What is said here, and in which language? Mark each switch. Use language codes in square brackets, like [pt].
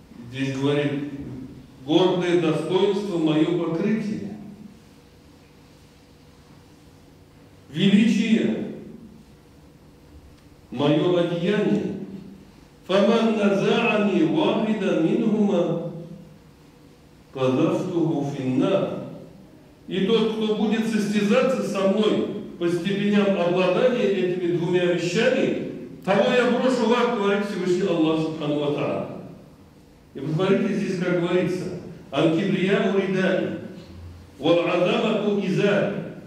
[ru] Здесь говорит: гордое достоинство мое покрытие, величие мое одеяние. [ar] فمن نزعني واحدا منهما قذفته في النار. [ru] И тот, кто будет состязаться со мной по степеням обладания этими двумя вещами, того я брошу в ад, говорит Всевышний Аллах Субхану ва Тааля. И посмотрите здесь, как говорится: [ar] «Анкибрия уридани, вал-адама уизари».